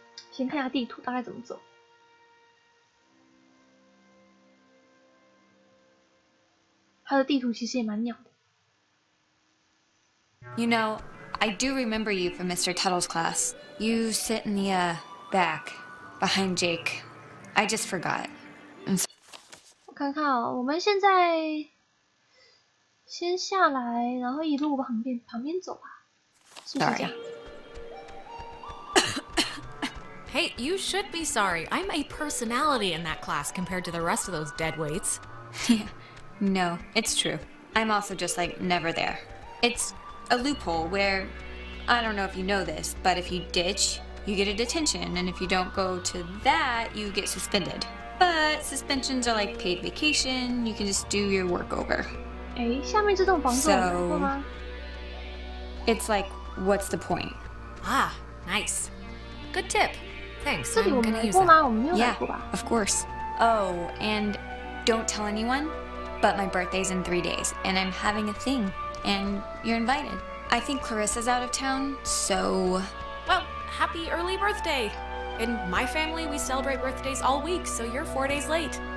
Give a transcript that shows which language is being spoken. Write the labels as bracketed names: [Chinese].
[Chinese] 先看一下地图，大概怎么走。他的地图其实也蛮鸟的。 [English] You know, I do remember you from Mr. Tuttle's class. You sit in the, back, behind Jake. I just forgot. So- [Chinese] 我看看哦，我们现在先下来，然后一路往旁边走吧。 [English] Sorry. Hey, you should be sorry. I'm a personality in that class compared to the rest of those dead weights. Yeah, no, it's true. I'm also just like never there. It's a loophole where, I don't know if you know this, but if you ditch, you get a detention, and if you don't go to that, you get suspended. But suspensions are like paid vacation, you can just do your work over. [Chinese] 诶，下面这栋房子我来过吗？ [English] It's like, what's the point? Ah, nice. Good tip. Thanks, I'm use it. [Chinese] 这里我们来过吗？我们没有来过吧。 [English] Yeah, of course. Oh, and don't tell anyone, but my birthday's in 3 days, and I'm having a thing, and you're invited. I think Clarissa's out of town, so... Well, happy early birthday. In my family, we celebrate birthdays all week, so you're 4 days late.